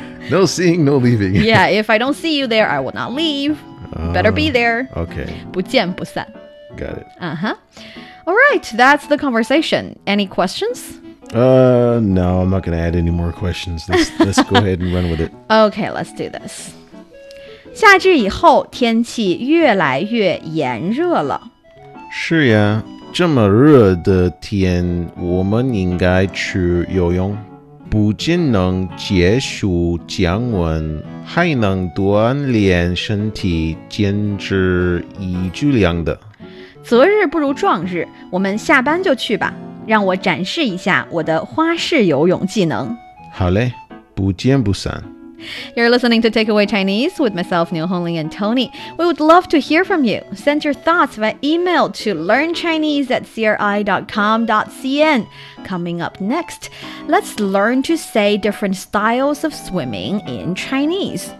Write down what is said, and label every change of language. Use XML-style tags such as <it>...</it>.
<en>no seeing, no leaving. Yeah, if I don't see you there, I will not leave.、Better be there. Okay.</en> <zh>不见不散</zh> <en>Got it. Uh-huh. All right, that's the conversation. Any questions? No, I'm not going to add any more questions. Let's go ahead and run with it. Okay, let's do this.</en> <zh>夏至以后天气越来越炎热了。是呀，这么热的天，我们应该去游泳，不仅能解暑降温，还能锻炼身体，坚持一举两得。择日不如撞日，我们下班就去吧，让我展示一下我的花式游泳技能。好嘞，不见不散。</zh> <en>You're listening to Takeaway Chinese with myself, Niuniu and Tony. We would love to hear from you. Send your thoughts via email to learnchinese@cri.com.cn. Coming up next, let's learn to say different styles of swimming in Chinese.</en>